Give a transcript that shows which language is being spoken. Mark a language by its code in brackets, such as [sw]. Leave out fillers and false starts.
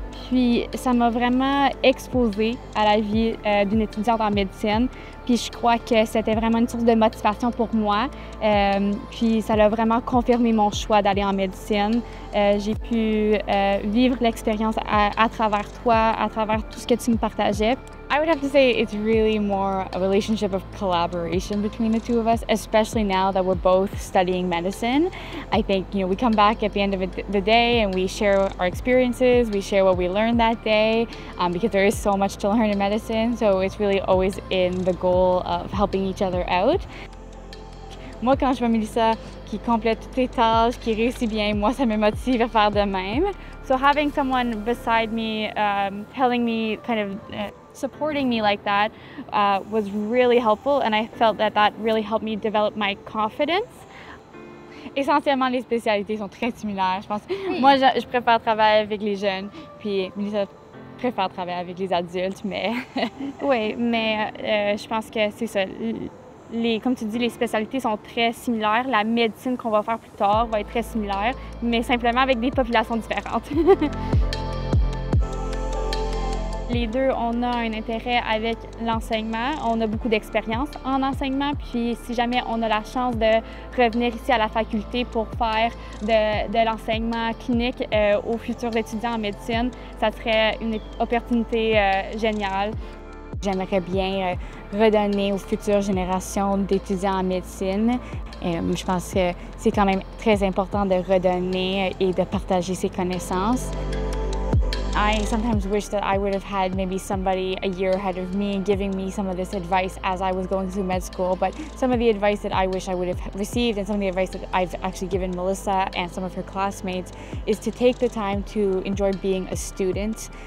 [fr] Puis ça m'a vraiment exposée à la vie d'une étudiante en médecine. Puis je crois que c'était vraiment une source de motivation pour moi. Puis ça a vraiment confirmé mon choix d'aller en médecine. J'ai pu vivre l'expérience à travers toi, à travers tout ce que tu me partageais. [en] I would have to say it's really more a relationship of collaboration between the two of us, especially now that we're both studying medicine. I think, you know, we come back at the end of the day and we share our experiences, we share what we learned that day, because there is so much to learn in medicine, so it's really always in the goal of helping each other out. [fr] Moi, quand je vois Mélissa qui complète toutes les tâches, qui réussit bien, moi, ça me motive à faire de même. [en] So having someone beside me, telling me kind of, supporting me like that was really helpful, and I felt that that really helped me develop my confidence. [fr] Essentiellement, les spécialités sont très similaires, je pense. Oui. Moi, je préfère travailler avec les jeunes, puis Mélissa préfère travailler avec les adultes, mais... oui, mais je pense que c'est ça. Comme tu dis, les spécialités sont très similaires. La médecine qu'on va faire plus tard va être très similaire, mais simplement avec des populations différentes. Les deux, on a un intérêt avec l'enseignement. On a beaucoup d'expérience en enseignement. Puis si jamais on a la chance de revenir ici à la faculté pour faire de l'enseignement clinique aux futurs étudiants en médecine, ça serait une opportunité géniale. J'aimerais bien redonner aux futures générations d'étudiants en médecine. Je pense que c'est quand même très important de redonner et de partager ses connaissances. [en] I sometimes wish that I would have had maybe somebody a year ahead of me giving me some of this advice as I was going through med school, but some of the advice that I wish I would have received and some of the advice that I've actually given Melissa and some of her classmates is to take the time to enjoy being a student.